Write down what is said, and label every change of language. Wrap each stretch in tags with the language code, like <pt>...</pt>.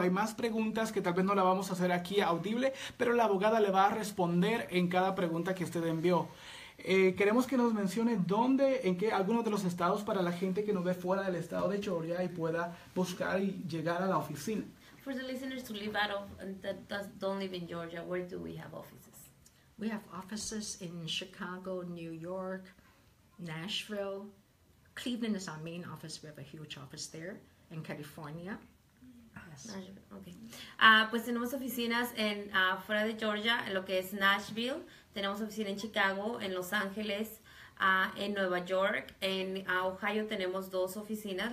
<es>Hay más preguntas que tal vez no la vamos a hacer aquí audible, pero la abogada le va a responder en cada pregunta que usted envió. Queremos que nos mencione dónde, en qué, algunos de los estados para la gente que nos ve fuera del estado de Georgia y pueda buscar y llegar a la oficina.</es> <en>For the listeners to live out of that don't live in Georgia, where do we have offices? We have offices in Chicago, New York, Nashville. Cleveland is our main office. We have a huge office there in California. Okay.</en> <es>Pues tenemos oficinas en fuera de Georgia, en lo que es Nashville. Tenemos oficina en Chicago, en Los Ángeles, en Nueva York, en Ohio tenemos dos oficinas.</es>